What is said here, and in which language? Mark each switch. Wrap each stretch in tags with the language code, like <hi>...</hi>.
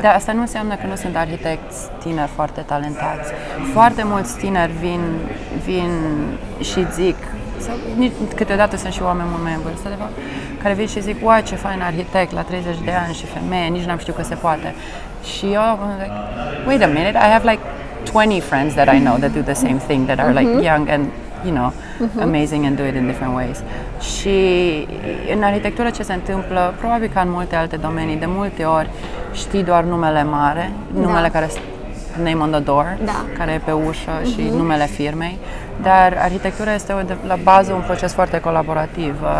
<ro>Dar asta nu înseamnă că nu sunt arhitecți tineri foarte talentați. Foarte mulți tineri vin și zic, câteodată sunt și oameni mult mai în vârstă, de fapt, care vin și zic, uai, ce fain arhitect la 30 de ani și femeie, nici n-am știut că se poate. Și eu,</ro> <en>like, wait a minute, I have like 20 friends that I know that do the same thing, that are like young and, you know, amazing and do it in different ways.</en> <ro>Și în arhitectură ce se întâmplă, probabil ca în multe alte domenii, de multe ori știi doar numele mare, numele care</ro> <en>name on the door,</en> <ro>care e pe ușă și numele firmei, dar arhitectura este la bază un proces foarte colaborativ.</ro>